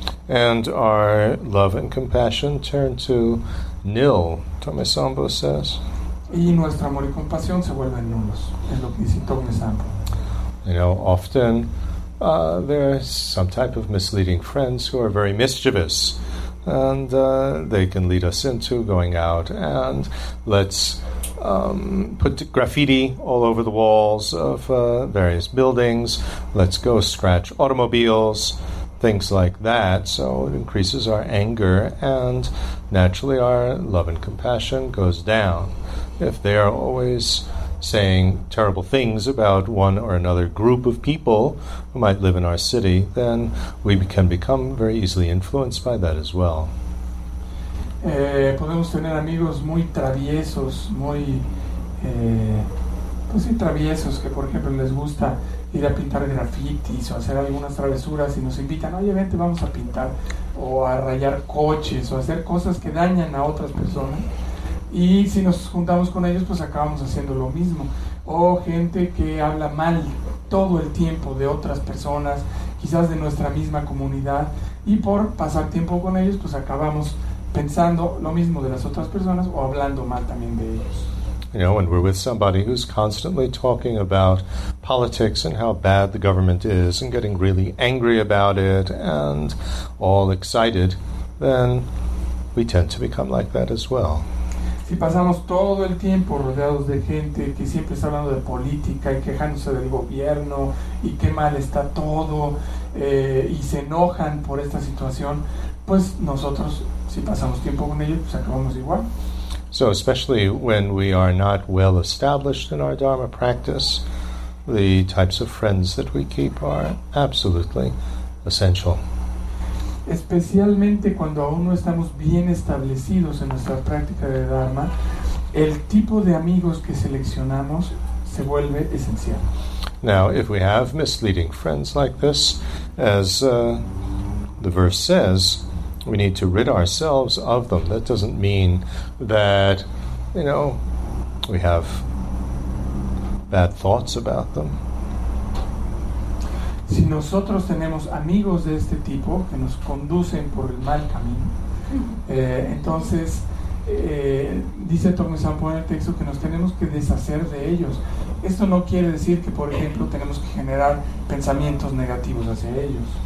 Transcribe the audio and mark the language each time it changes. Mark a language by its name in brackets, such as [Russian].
[English] And our love and compassion turn to nil, Tomi Sambo says. [Spanish] Y nuestro amor y compasión se vuelven nulos, es lo que dice Tomi Sambo. [English] You know, often there are some type of misleading friends who are very mischievous. And they can lead us into going out and let's put graffiti all over the walls of various buildings. Let's go scratch automobiles, things like that. So it increases our anger and naturally our love and compassion goes down. If they are always saying terrible things about one or another group of people who might live in our city, then we can become very easily influenced by that as well. [Spanish] Podemos tener amigos muy traviesos, muy pues sí, traviesos, que por ejemplo les gusta ir a pintar grafitis o hacer algunas travesuras y nos invitan, oye, vente, vamos a pintar o a rayar coches o a hacer cosas que dañan a otras personas, y si nos juntamos con ellos pues acabamos haciendo lo mismo. O gente que habla mal todo el tiempo de otras personas, quizás de nuestra misma comunidad, y por pasar tiempo con ellos pues acabamos pensando lo mismo de las otras personas o hablando mal también de ellos. [English] You know, when we're with somebody who's constantly talking about politics and how bad the government is and getting really angry about it and all excited, then we tend to become like that as well. [Spanish] Si pasamos todo el tiempo rodeados de gente que siempre está hablando de política y quejándose del gobierno y qué mal está todo, y se enojan por esta situación, pues nosotros, si pasamos tiempo con ellos, pues acabamos igual. [English] So especially when we are not well established in our Dharma practice, the types of friends that we keep are absolutely essential. [Spanish] Especialmente cuando aún no estamos bien establecidos en nuestra práctica de Dharma, el tipo de amigos que seleccionamos se vuelve esencial. [English] Now, if we have misleading friends like this, as the verse says, we need to rid ourselves of them. That doesn't mean that, you know, we have bad thoughts about them. [Spanish] Si nosotros tenemos amigos de este tipo que nos conducen por el mal camino, entonces dice Tomisampo en el texto que nos tenemos que deshacer de ellos. Esto no quiere decir que, por ejemplo, tenemos que generar pensamientos negativos hacia ellos.